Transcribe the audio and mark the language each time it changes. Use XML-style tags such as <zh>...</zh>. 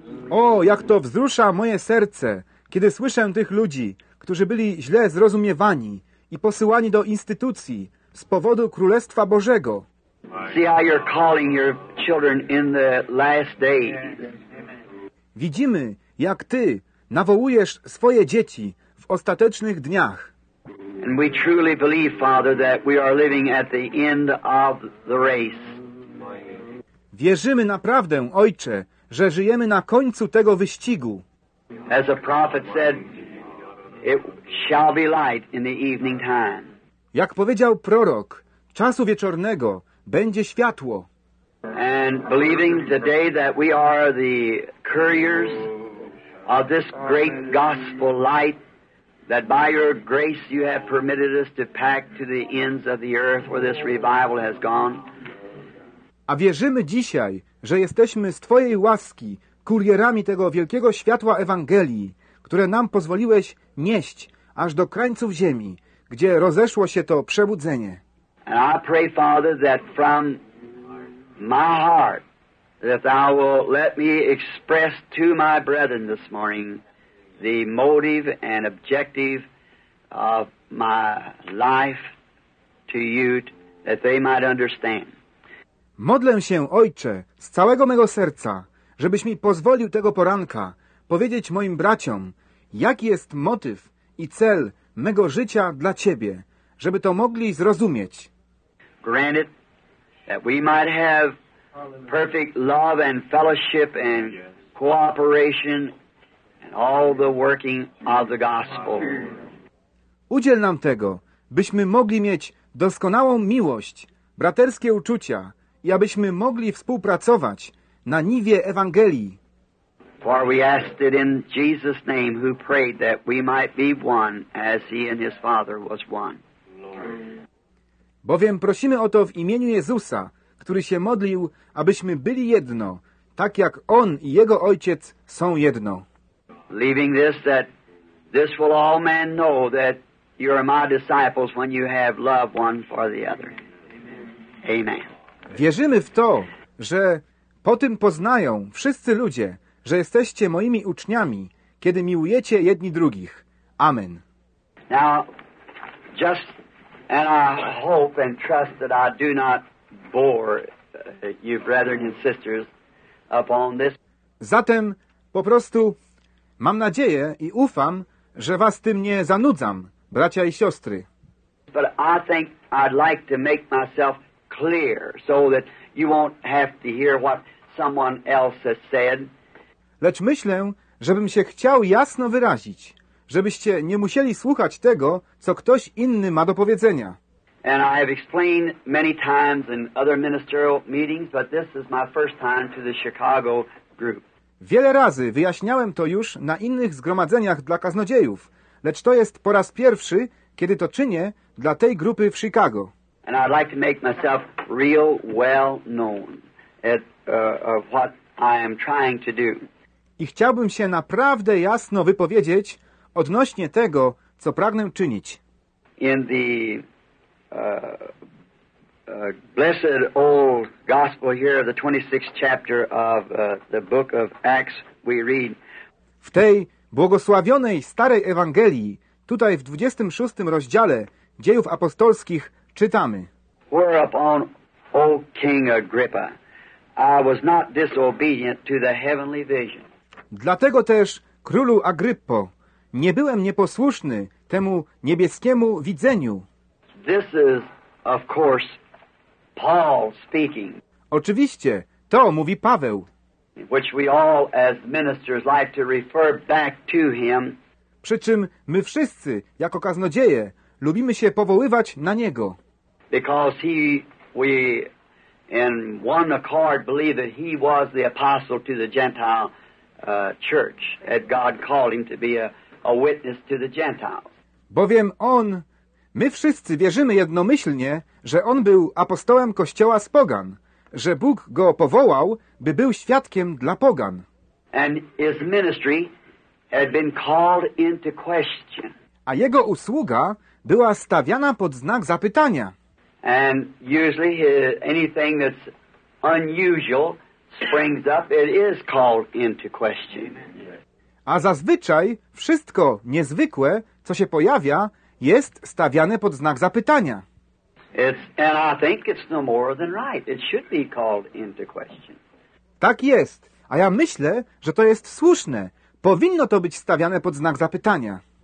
<pl>O, jak to wzrusza moje serce, kiedy słyszę tych ludzi, którzy byli źle zrozumiewani i posyłani do instytucji z powodu Królestwa Bożego.</pl> <en>See how you're calling your children in the last days.</en> <pl>Widzimy, jak Ty nawołujesz swoje dzieci w ostatecznych dniach.</pl> <en>And we truly believe, Father, that we are living at the end of the race.</en> <pl>Wierzymy naprawdę, Ojcze, że żyjemy na końcu tego wyścigu.</pl> <en>As a prophet said, it shall be light in the evening time.</en> <pl>Jak powiedział prorok, czasu wieczornego będzie światło.</pl> <en>And believing today that we are the couriers of this great gospel light that by your grace you have permitted us to pack to the ends of the earth where this revival has gone.</en> <pl>A wierzymy dzisiaj, że jesteśmy z Twojej łaski kurierami tego wielkiego światła Ewangelii, które nam pozwoliłeś nieść aż do krańców ziemi, gdzie rozeszło się to przebudzenie.</pl> <en>And I pray, Father, that from my heart, that Thou will let me express to my brethren this morning the motive and objective of my life to you, that they might understand.</en> <pl>Modlę się, Ojcze, z całego mego serca, żebyś mi pozwolił tego poranka powiedzieć moim braciom, jaki jest motyw i cel mego życia dla Ciebie, żeby to mogli zrozumieć.</pl> <en>Granted that we might have perfect love and fellowship and cooperation and all the working of the gospel.</en> <pl>Udziel nam tego, byśmy mogli mieć doskonałą miłość, braterskie uczucia i abyśmy mogli współpracować na niwie Ewangelii.</pl> <en>For we asked it in Jesus' name, who prayed that we might be one as he and his Father was one.</en> <pl>Bowiem prosimy o to w imieniu Jezusa, który się modlił, abyśmy byli jedno, tak jak On i Jego Ojciec są jedno.</pl> <en>Leaving this, that this will all men know that you are my disciples when you have love one for the other. Amen.</en> <pl>Wierzymy w to, że po tym poznają wszyscy ludzie, że jesteście moimi uczniami, kiedy miłujecie jedni drugich. Amen.</pl> <en>Now, just, and I hope and trust that I do not bore you, brethren and sisters, upon this.</en> <pl>Zatem po prostu mam nadzieję i ufam, że was tym nie zanudzam, bracia i siostry.</pl> <en>But I think I'd like to make myself clear so that you won't have to hear what someone else has said.</en> <pl>Lecz myślę, żebym się chciał jasno wyrazić, żebyście nie musieli słuchać tego, co ktoś inny ma do powiedzenia.</pl> <en>And I have explained many times in other ministerial meetings, but this is my first time to the Chicago group.</en> <pl>Wiele razy wyjaśniałem to już na innych zgromadzeniach dla kaznodziejów, lecz to jest po raz pierwszy, kiedy to czynię dla tej grupy w Chicago.</pl> <en>And I'd like to make myself real well known at what I am trying to do.</en> <pl>I chciałbym się naprawdę jasno wypowiedzieć odnośnie tego, co pragnę czynić.</pl> <en>In the blessed old gospel here, the 26th chapter of the book of Acts, we read.</en> <pl>W tej błogosławionej starej Ewangelii, tutaj w 26 rozdziale Dziejów Apostolskich, czytamy.</pl> <en>Whereupon, O King Agrippa, I was not disobedient to the heavenly vision.</en> <pl>Dlatego też, królu Agryppo, nie byłem nieposłuszny temu niebieskiemu widzeniu.</pl> <en>This is, of course, Paul speaking.</en> <pl>Oczywiście, to mówi Paweł.</pl> <en>Which we all, as ministers, like to refer back to him.</en> <pl>Przy czym my wszyscy, jako kaznodzieje, lubimy się powoływać na niego.</pl> <en>Because he, we, in one accord, believe that he was the apostle to the Gentile church, that God called him to be a witness to the Gentiles.</en> <pl>Bowiem on, my wszyscy wierzymy jednomyślnie, że on był apostołem kościoła z pogan, że Bóg go powołał, by był świadkiem dla pogan.</pl> <en>And his ministry had been called into question.</en> <pl>A jego usługa była stawiana pod znak zapytania.</pl> <en>And usually anything that's unusual springs up, it is called into question.</en> <pl>A zazwyczaj wszystko niezwykłe, co się pojawia, jest stawiane pod znak zapytania.</pl> <en>It's, and I think it's no more than right. It should be called into question.</en> <pl>Tak jest. A ja myślę, że to jest słuszne. Powinno to być stawiane pod znak zapytania.</pl>